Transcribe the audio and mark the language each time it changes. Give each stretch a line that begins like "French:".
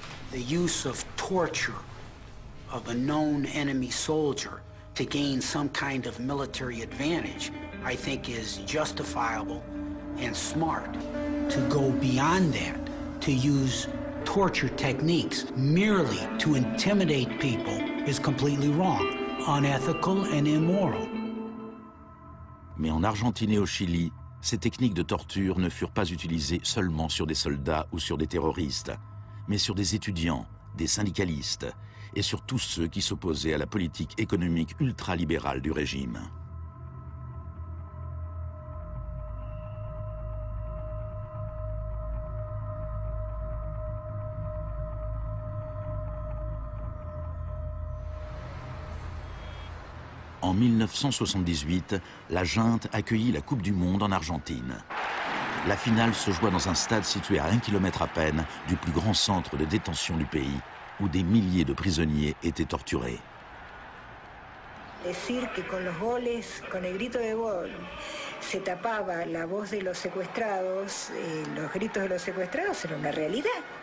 English: The use of torture of a known enemy soldier to gain some kind of military advantage, I think is justifiable and smart. To go beyond that, to use torture techniques merely to intimidate people is completely wrong, unethical and immoral.
French: Mais en Argentine et au Chili, ces techniques de torture ne furent pas utilisées seulement sur des soldats ou sur des terroristes, mais sur des étudiants, des syndicalistes, et sur tous ceux qui s'opposaient à la politique économique ultralibérale du régime. En 1978, la junte accueillit la Coupe du Monde en Argentine. La finale se joua dans un stade situé à 1 km à peine du plus grand centre de détention du pays, où des milliers de prisonniers étaient torturés.
Spanish: Decir que con los goles, con el grito de gol, se tapaba la voz de los secuestrados, los gritos de los secuestrados era una realidad.